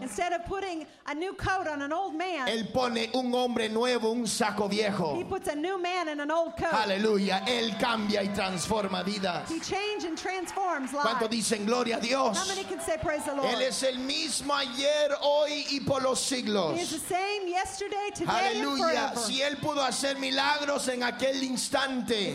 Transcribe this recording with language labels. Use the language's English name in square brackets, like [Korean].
[English] Instead of putting a new coat on an old man. [Spanish] Él pone un hombre nuevo, un saco viejo. [English] He puts a new man in an old coat. [Spanish] Aleluya, él cambia y transforma vidas. [English] He changes and transforms lives. [Spanish] ¿Cuánto dicen gloria a Dios? [English] How many can say say praise the Lord. [Spanish] Él es el mismo ayer, hoy y por los siglos. [English] He is the same yesterday, today, and forever. [Spanish] Aleluya. Si él pudo hacer milagros en aquel instante,